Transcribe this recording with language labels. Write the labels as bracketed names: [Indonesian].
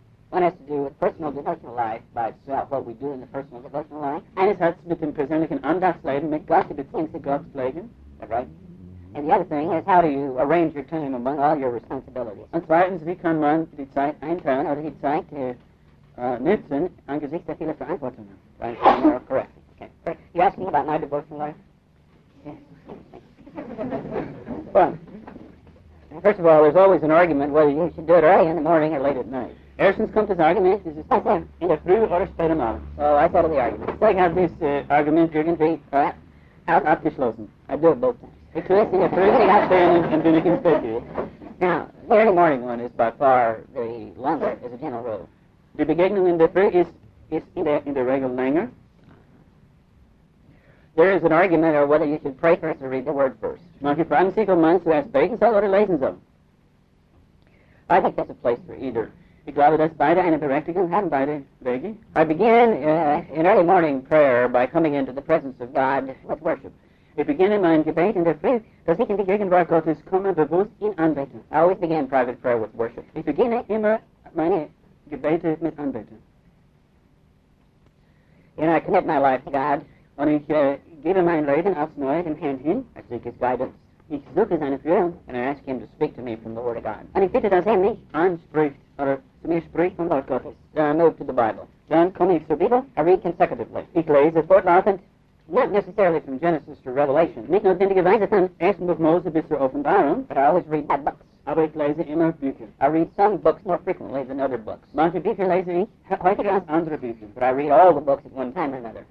[English] One has to do with personal devotional life by itself, what we do in the personal devotional life. [German] Eines hat mit dem persönlichen Andachtsleben, mit Gott, die Beziehung zu Gott pflegen. [English] Right? And the other thing is, how do you arrange your time among all your responsibilities? [German] Und zweitens, wie kann man die Zeit einteilen oder die Zeit nutzen angesichts der vielen Verantwortungen? [English] Right, you're correct. Okay. Right. You asking about my devotional life? Yes. Well, first of all, there's always an argument whether you should do it early in the morning or late at night. [German] Erstens kommt das Argument, es ist in der Früh oder spät am Abend. [English] Well, I thought of the argument. So I have this argument irgendwie [German] abgeschlossen. [English] I do it both times. Because in the Früh, I have been and then again spät. Now, the early morning one is by far the longer as a general rule. [German] Die Begegnung in der Früh ist in der Regel länger. [English] There is an argument over whether you should pray first or read the word first. [German] Manche fragen sich, ob man zuerst beten soll oder lesen soll. [English] I think that's a place for either. [German] Ich glaube, dass beide eine Berechtigung haben, beide Wege. [English] I begin in early morning prayer by coming into the presence of God with worship. [German] Ich beginne mein Gebet in der Früh, dass ich in die Gegenwart Gottes komme, bewusst in Anbetung. [English] I always begin private prayer with worship. [German] Ich beginne immer meine Gebete mit Anbetung. [English] You know, I commit my life to God. [German] Und ich gebe mein Leben aufs Neue dem Herrn hin. [English] I seek his guidance. [German] Ich suche seine Führung. [English] And I ask him to speak to me from the Word of God. [German] Und ich bitte, dass er mich anspricht. Oder zu mir spricht von Lord Gottes. [English] Then I move to the Bible. [German] Dann komme ich zur Bibel. [English] I read consecutively. [German] Ich lese fortlaufend. [English] Not necessarily from Genesis to Revelation. [German] Nicht notwendigerweise von ersten Buch Mose bis zur Offenbarung. [English] But I always read bad books. [German] Aber ich lese immer Bücher. [English] I read some books more frequently than other books. [German] Manche Bücher lese ich häufiger als andere Bücher. [English] But I read all the books at one time or another.